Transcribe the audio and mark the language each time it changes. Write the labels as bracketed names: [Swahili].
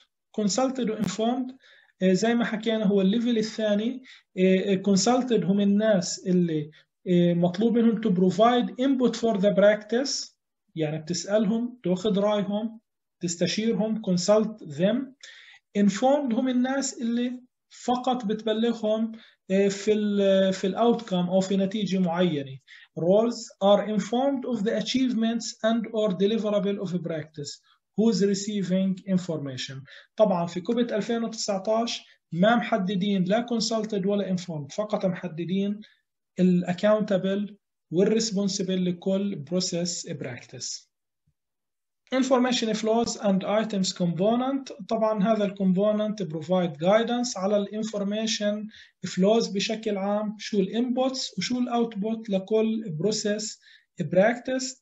[Arabic] كونسلتد وانفورمد زي ما حكينا هو الليفل الثاني، كونسلتد هم الناس اللي مطلوب منهم [English] to provide input for the practice, [Arabic] يعني بتسالهم تاخذ رايهم تستشيرهم، [English] consult them. [Arabic] informed هم الناس اللي فقط بتبلغهم في الـ outcome أو في نتيجة معينة. [English] roles are informed of the achievements and or deliverable of a practice who's receiving information. [Arabic] طبعا في كوبيت 2019 ما محددين لا consulted ولا informed، فقط محددين الـ accountable والـ responsible لكل [English] process practice. Information flows and items component، طبعا هذا الكومبوننت provide guidance على الانفورميشن فلوز [Arabic] بشكل عام، [English] شو الانبوتس وشو الاوتبوت لكل بروسيس براكتس.